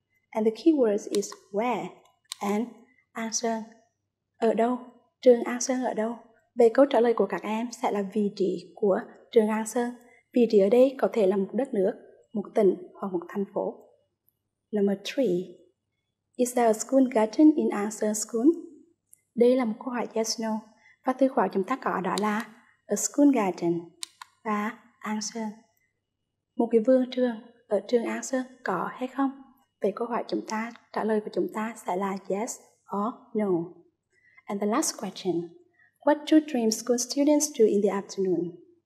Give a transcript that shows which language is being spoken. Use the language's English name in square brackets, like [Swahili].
[English] And the keyword is where and Armstrong. [Vietnamese] Ở đâu? Trường An Sơn ở đâu? Về câu trả lời của các em sẽ là vị trí của trường An Sơn. Vị trí ở đây có thể là một đất nước, một tỉnh hoặc một thành phố. [English] Number 3. Is there a school garden in An Sơn School? [Vietnamese] Đây là một câu hỏi yes no. Và từ khóa chúng ta có đó là [English] a school garden [Vietnamese] và An Sơn. Một cái vườn trường ở trường An Sơn có hay không? Về câu hỏi chúng ta, trả lời của chúng ta sẽ là [English] yes or no. And the last question, what two dream school students do in the afternoon?